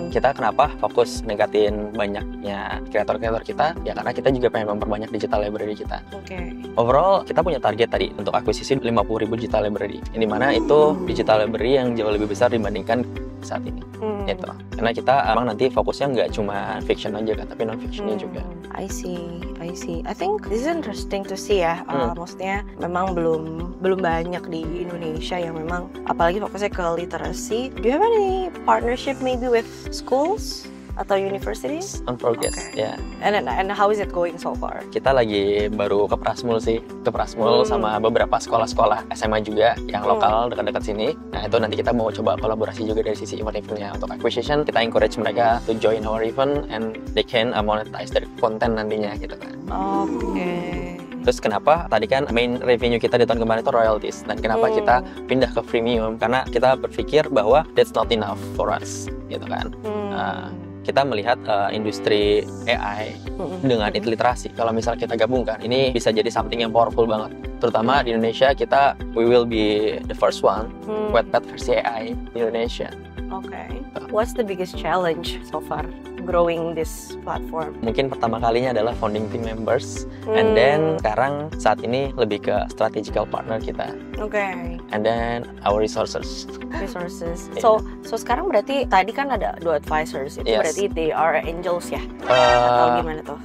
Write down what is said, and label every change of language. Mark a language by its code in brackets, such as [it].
[id] Kita kenapa fokus ningkatin banyaknya kreator-kreator kita, ya karena kita juga pengen memperbanyak digital library kita. [en] Okay. [id] Overall, kita punya target tadi untuk akuisisi 50,000 digital library. Ini mana itu digital library yang jauh lebih besar dibandingkan saat ini. Gitu. Karena kita emang nanti fokusnya nggak cuma fiction aja kan, tapi non-fictionnya juga. [en] I see. I think this is interesting to see ya. [id] Maksudnya memang belum banyak di Indonesia yang memang, apalagi fokusnya ke literasi. [en] Do you have any partnership maybe with schools atau universities? On progress, okay. Yeah. And how is it going so far? [id] Kita lagi baru ke Prasmul sih. Ke Prasmul sama beberapa sekolah-sekolah SMA juga yang lokal dekat-dekat sini. Nah, itu nanti kita mau coba kolaborasi juga dari sisi event-eventnya. [en] Untuk acquisition, kita encourage mereka to join our event and they can monetize their content [id] nantinya gitu kan. [en] Okay. [id] Terus kenapa tadi kan main revenue kita di tahun kemarin itu royalties, dan kenapa kita pindah ke freemium? Karena kita berpikir bahwa [en] that's not enough for us, [id] gitu kan. Kita melihat industri AI dengan literasi, kalau misalnya kita gabungkan, ini bisa jadi something yang powerful banget. Terutama di Indonesia, kita, [en] we will be the first one, [id] Wattpad versi AI di Indonesia. [en] Okay. What's the biggest challenge so far growing this platform? [id] Mungkin pertama kalinya adalah founding team members, and then sekarang saat ini lebih ke strategical partner kita. [en] Okay. And then our resources. [id] Resources. Yeah. So sekarang berarti tadi kan ada dua advisors itu, berarti [en] they are angels [id] ya? Atau gimana tuh?